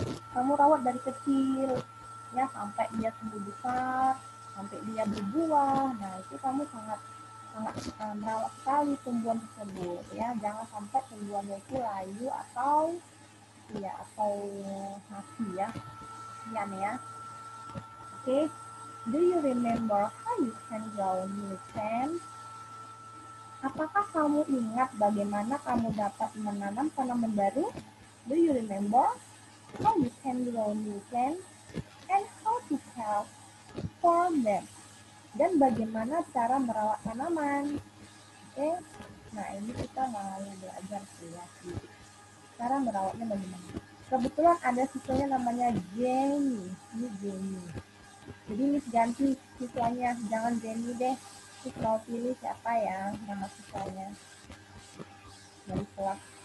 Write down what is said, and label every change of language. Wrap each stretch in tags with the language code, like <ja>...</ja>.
<id>Kamu rawat dari kecil ya, sampai dia tumbuh besar, sampai dia berbuah. Nah, itu kamu sangat merawat sekali tumbuhan tersebut ya, jangan sampai tumbuhannya itu layu atau ya atau mati ya. Sekian ya. Oke, okay.</id> <en>Do you remember how you handle new plants?</en> <id>Apakah kamu ingat bagaimana kamu dapat menanam tanaman baru?</id> <en>Do you remember how you handle new plants and how to care for them?</en> <id>Dan bagaimana cara merawat tanaman? Oke, okay. Nah ini kita mau belajar sih ya. Cara merawatnya bagaimana? Kebetulan ada siswanya namanya Jenny. Ini Jenny. Jadi Miss ganti siswanya, jangan Jenny deh. Miss mau pilih siapa ya nama siswanya dari kelas.</id>